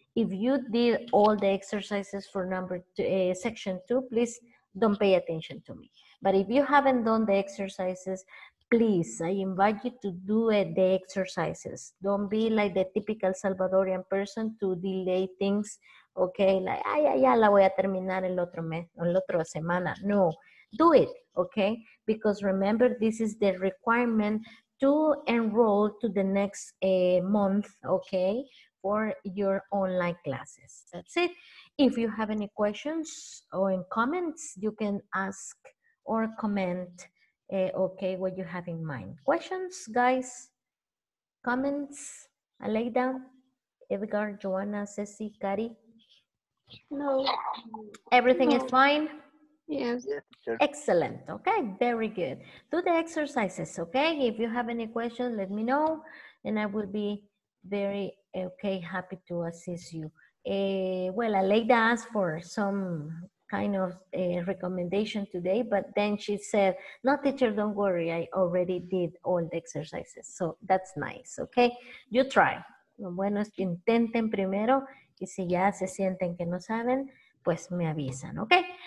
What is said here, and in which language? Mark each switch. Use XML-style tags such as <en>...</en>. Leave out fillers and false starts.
<en>If you did all the exercises for number two, section two, please don't pay attention to me. But if you haven't done the exercises, please, I invite you to do the exercises. Don't be like the typical Salvadorian person to delay things, okay?</en> <es>Like, ay, ay, ay, la voy a terminar el otro mes, el otro semana.</es> <en>No, do it, okay? Because remember, this is the requirement to enroll to the next month, okay, for your online classes. That's it. If you have any questions or in comments, you can ask or comment. Okay, what you have in mind. Questions, guys? Comments? Aleida, Edgar, Joanna, Ceci, Kari? No. Everything is fine? Yes. Sure. Excellent. Okay, very good. Do the exercises, okay? If you have any questions, let me know, and I will be very, okay, happy to assist you. Well, Aleida asked for some kind of a recommendation today, but then she said, no, teacher, don't worry, I already did all the exercises. So that's nice, okay? You try.</en> <es>Lo bueno es que intenten primero, y si ya se sienten que no saben, pues me avisan, okay?</es>